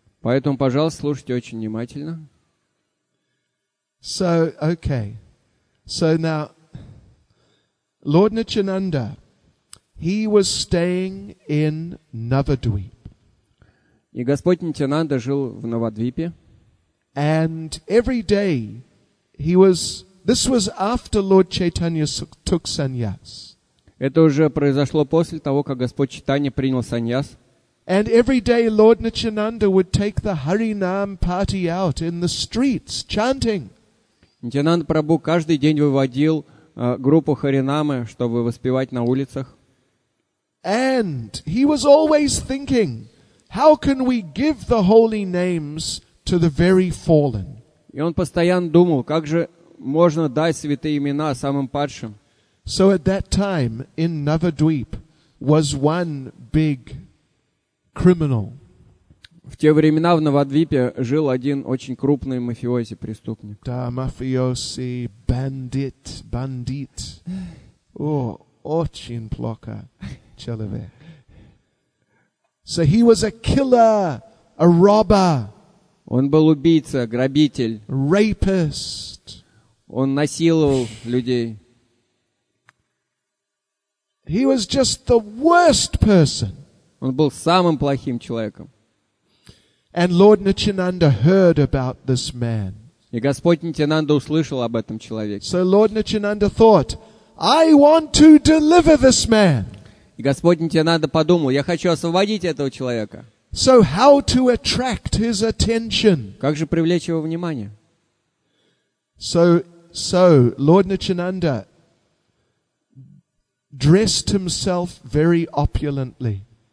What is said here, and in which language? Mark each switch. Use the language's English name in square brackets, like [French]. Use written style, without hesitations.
[Russian] Поэтому, пожалуйста, слушайте очень внимательно. [English] So, okay. So now, Lord Nityananda, he was staying in Navadvip. [Russian] И Господь Нитьянанда жил в Навадвипе. [English] And every day, this was after Lord Chaitanya took sannyas. [Russian] Это уже произошло после того, как Господь Чайтанья принял саньяс. [English] And every day Lord Nityananda would take the Harinam party out in the streets, chanting. [Russian] Нитьянанда Прабху каждый день выводил группу Харинамы, чтобы воспевать на улицах. [English] And he was always thinking, how can we give the holy names to the very fallen? [Russian] И он постоянно думал, как же можно дать святые имена самым падшим. [English] So at that time in Navadvip was one big criminal. [Russian] В те времена в Навадвипе жил один очень крупный мафиози, преступник. Да, мафиози, бандит, бандит. О, очень плохо человек. [English] So he was a killer, a robber. [Russian] Он был убийца, грабитель. [English] Rapist. [Russian] Он насиловал людей. [English] He was just the worst person. [Russian] Он был самым плохим человеком. [English] And Lord Nityananda heard about this man. [Russian] И Господь Нитьянанда услышал об этом человеке. [English] So Lord Nityananda thought, I want to deliver this man. [Russian] И Господь Нитьянанда подумал, я хочу освободить этого человека. [English] So how to attract his attention? [Russian] Как же привлечь его внимание? [English] So Lord Nityananda dressed himself very opulently.